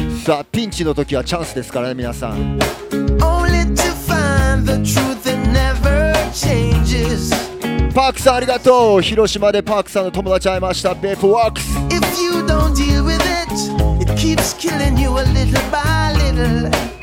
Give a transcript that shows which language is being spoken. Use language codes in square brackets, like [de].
[ja] さあピンチの時はチャンスですからね皆さん。 [en] Only to find the truth that never changes. [ja] パークさんありがとう。広島でパークさんの友達会いました。ベープワークス。 [en] If you don't deal with it, it keeps killing you a little by little.